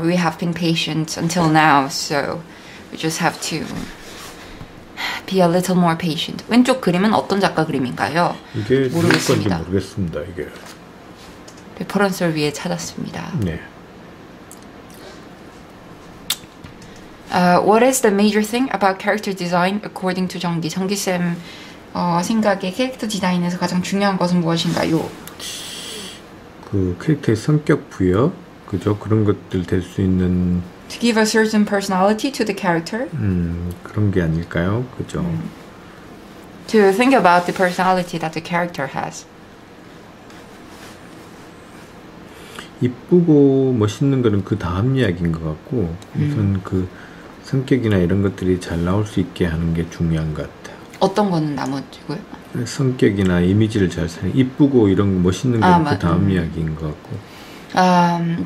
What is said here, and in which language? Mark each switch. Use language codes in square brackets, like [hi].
[en] We have been patient until now, so we just have to be a little more patient. [ko] 왼쪽 그림은 어떤 작가 그림인가요? 이게 모르겠습니다. 모르겠습니다. 이게 레퍼런스를 위해 찾았습니다. 네. [en] What is the major thing about character design according to 정기? [ko] 정기 쌤 생각에 캐릭터 디자인에서 가장 중요한 것은 무엇인가요? 그 캐릭터의 성격 부여, 그죠? 그런 것들 될 수 있는. [en] To give a certain personality to the character. [ko] 그런 게 아닐까요? 그죠? [en] To think about the personality that the character has. [ko] 이쁘고 멋있는 거는 그 다음 이야기인 것 같고 우선 그 성격이나 이런 것들이 잘 나올 수 있게 하는 게 중요한 것 같아요. 어떤 거는 나머지고요? 성격이나 이미지를 잘 살리고 이쁘고 이런 멋있는 거는 그 다음 이야기인 것 같고